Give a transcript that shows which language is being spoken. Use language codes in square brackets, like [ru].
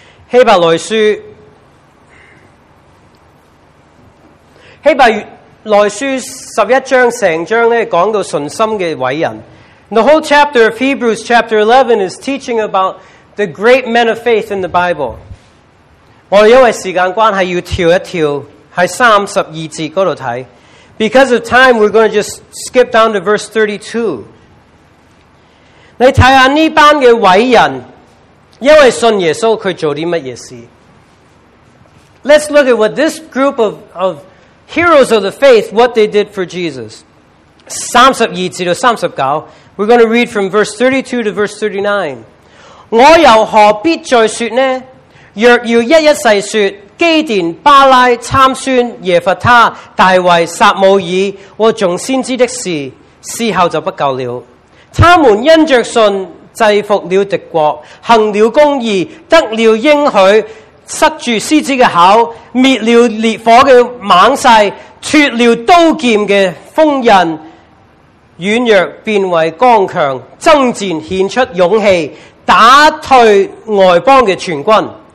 [zh] 希伯来书十一章,整章讲到信心的伟人. [en] The whole chapter of Hebrews chapter 11 is teaching about the great men of faith in the Bible. [zh] 我们因为时间关系要跳一跳,在32节那里看. [en] Because of time, we're going to just skip down to verse 32. [zh] 你看看这班的伟人,因为信耶稣,他做了什么事? [en] Let's look at what this group of heroes of the faith, what they did for Jesus. 32-39, we're going to read from verse 32 to verse 39. [zh] 我又何必再说呢? 若要一一细说, 基甸、巴拉、参孙、耶弗他、大卫、撒母耳, 和众先知的事, 事后就不够了。他们因着信制服了敌国, 行了公义, 得了应许, 塞住狮子的口, 灭了烈火的猛势, 脱了刀剑的锋刃, 软弱变为刚强, 征战献出勇气, 打退外邦的全军。